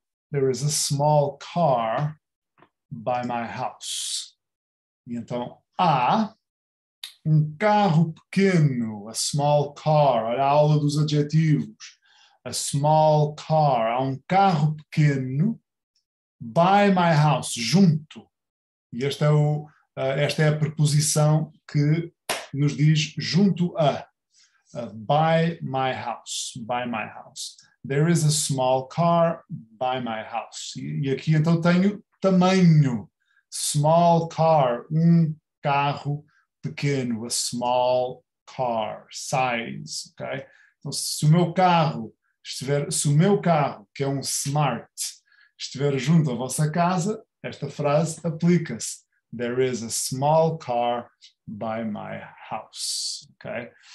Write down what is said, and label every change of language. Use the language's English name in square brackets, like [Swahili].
[English] There is a small car by my house. [Portuguese] E então, há um carro pequeno, [English] a small car, [Portuguese] a aula dos adjetivos. [English] A small car, [Portuguese] há um carro pequeno, [English] by my house, [Portuguese] junto. E esta é a preposição que nos diz junto a. [English] By my house, by my house. There is a small car by my house. [Portuguese] E aqui então tenho tamanho. [English] Small car, [Portuguese] um carro pequeno. [English] A small car, size, ok? [Portuguese] Então se o meu carro estiver, se o meu carro, que é um smart, estiver junto à vossa casa, esta frase aplica-se. [English] There is a small car by my house, ok?